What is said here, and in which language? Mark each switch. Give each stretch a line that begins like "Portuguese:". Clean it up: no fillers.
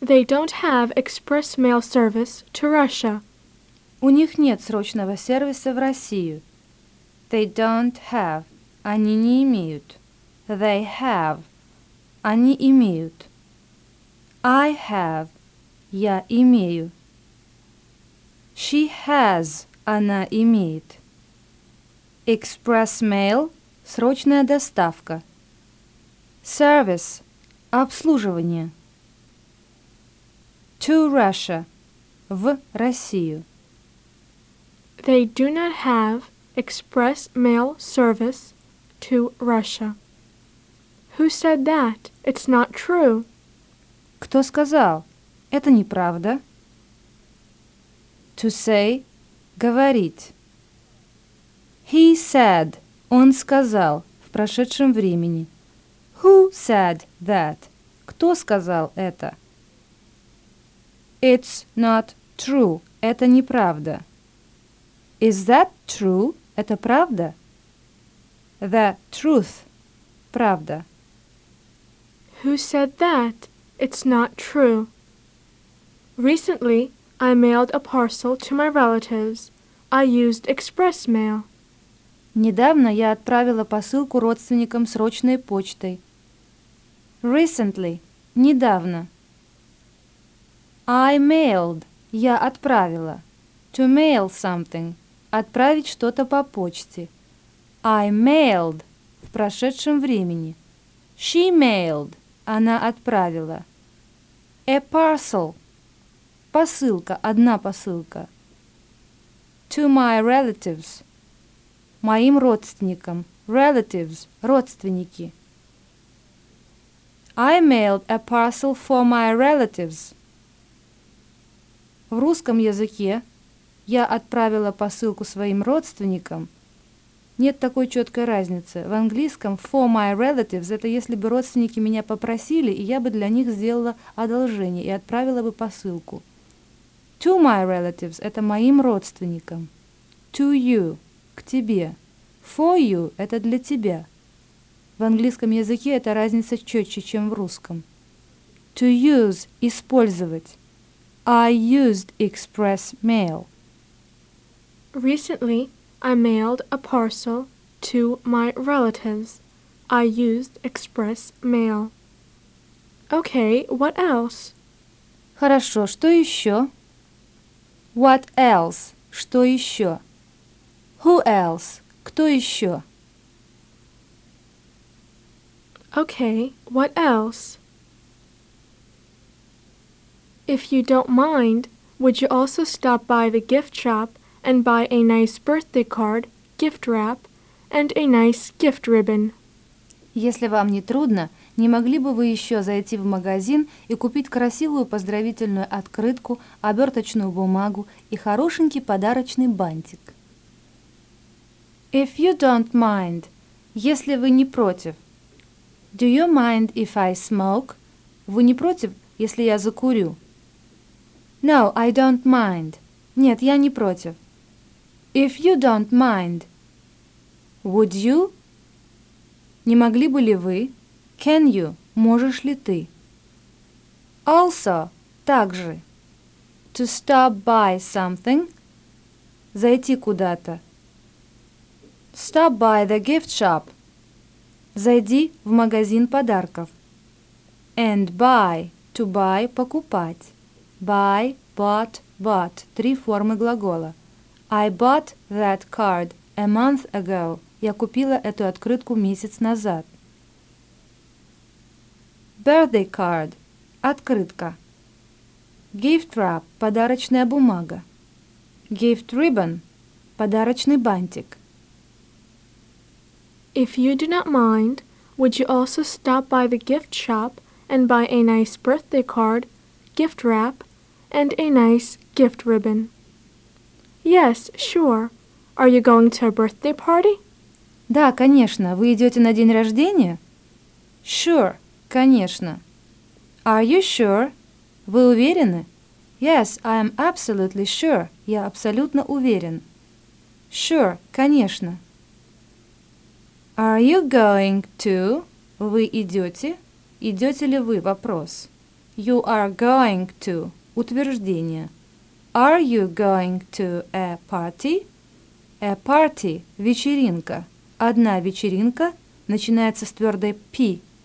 English: They don't have express mail service to Russia.
Russian: У них нет срочного сервиса в Россию.
English: They don't have.
Russian: Они не имеют.
English: They have.
Russian: Они имеют.
English: I have.
Russian: Я имею.
English: She has.
Russian: Она имеет.
English: Express mail.
Russian: Срочная доставка.
English: Service.
Russian: Обслуживание.
English: To Russia.
Russian: В Россию.
English: They do not have express mail service to Russia. Who said that? It's not true.
Russian: Кто сказал? Это неправда.
English: To say,
Russian: говорить.
English: He said,
Russian: он сказал в прошедшем времени.
English: Who said that?
Russian: Кто сказал это?
English: It's not true.
Russian: Это неправда.
English: Is that true?
Russian: Это правда?
English: The truth.
Russian: Правда.
English: Who said that? It's not true. Recently, I mailed a parcel to my relatives. I used express mail.
Russian: Недавно я отправила посылку родственникам срочной почтой.
English: Recently.
Russian: Недавно.
English: I mailed.
Russian: Я отправила.
English: To mail something.
Russian: Отправить что-то по почте.
English: I mailed.
Russian: В прошедшем времени.
English: She mailed.
Russian: Она отправила.
English: A parcel.
Russian: Посылка. Одна посылка.
English: To my relatives.
Russian: Моим родственникам.
English: Relatives.
Russian: Родственники.
English: I mailed a parcel for my relatives.
Russian: В русском языке я отправила посылку своим родственникам. Нет такой четкой разницы. В английском
English: for my relatives
Russian: — это если бы родственники меня попросили, и я бы для них сделала одолжение и отправила бы посылку.
English: To my relatives
Russian: — это моим родственникам.
English: To you
Russian: — к тебе.
English: For you
Russian: — это для тебя. В английском языке эта разница четче, чем в русском.
English: To use —
Russian: использовать.
English: I used express mail. Recently, I mailed a parcel to my relatives. I used express mail. Okay, what else?
Russian: Хорошо, что еще?
English: What else?
Russian: Что еще?
English: Who else?
Russian: Кто еще?
English: Okay, what else? If you don't mind, would you also stop by the gift shop and buy a nice birthday card, gift wrap, and a nice gift ribbon?
Russian: Если вам не трудно, не могли бы вы еще зайти в магазин и купить красивую поздравительную открытку, оберточную бумагу и хорошенький подарочный бантик?
English: If you don't mind,
Russian: если вы не против.
English: Do you mind if I smoke?
Russian: Вы не против, если я закурю?
English: No, I don't mind.
Russian: Нет, я не против.
English: If you don't mind, would you?
Russian: Не могли бы ли вы?
English: Can you?
Russian: Можешь ли ты?
English: Also,
Russian: также.
English: To stop by something.
Russian: Зайти куда-то.
English: Stop by the gift shop.
Russian: Зайди в магазин подарков.
English: And buy. To buy –
Russian: покупать.
English: Buy, bought, bought.
Russian: Три формы глагола.
English: I bought that card a month ago.
Russian: Я купила эту открытку месяц назад.
English: Birthday card.
Russian: Открытка.
English: Gift wrap.
Russian: Подарочная бумага.
English: Gift ribbon.
Russian: Подарочный бантик.
English: If you do not mind, would you also stop by the gift shop and buy a nice birthday card, gift wrap, and a nice gift ribbon? Yes, sure. Are you going to a birthday party?
Russian: Да, конечно. Вы идете на день рождения?
English: Sure,
Russian: конечно.
English: Are you sure?
Russian: Вы уверены?
English: Yes, I am absolutely sure.
Russian: Я абсолютно уверен.
English: Sure,
Russian: конечно.
English: Are you going to?
Russian: Вы идете? Идете ли вы? Вопрос.
English: You are going to.
Russian: Утверждение.
English: Are you going to a party? A party.
Russian: Вечеринка. Одна вечеринка начинается с твердой P.